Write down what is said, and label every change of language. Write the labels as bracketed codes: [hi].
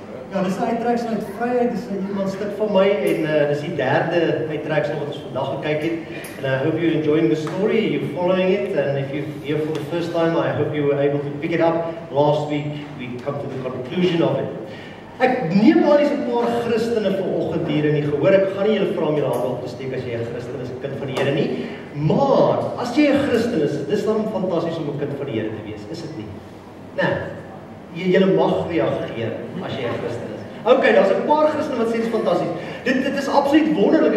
[af] Ja, dis die uittreksel uit Vryheid, dis 'n nuwe stuk van my en dis die derde uittreksel wat ons vandag gekyk het. [en] And I hope you're enjoying the story, you're following it, and if you're here for the first time, I hope you were able to pick it up. Last week, we come to the conclusion of it. [af] Ek neem al hierdie paar Christene vanoggend hier in die gehoor. Ek gaan nie julle vra om julle hande op te steek as jy 'n Christen is, 'n kind van die Here nie. Maar as jy 'n Christen is, dis dan fantasties om 'n kind van die Here te wees, is dit nie? Nee. Jy mag reageer as jy 'n Christen is. OK, daar's 'n paar Christene wat sê dit is fantasties. Dit is absoluut wonderlik.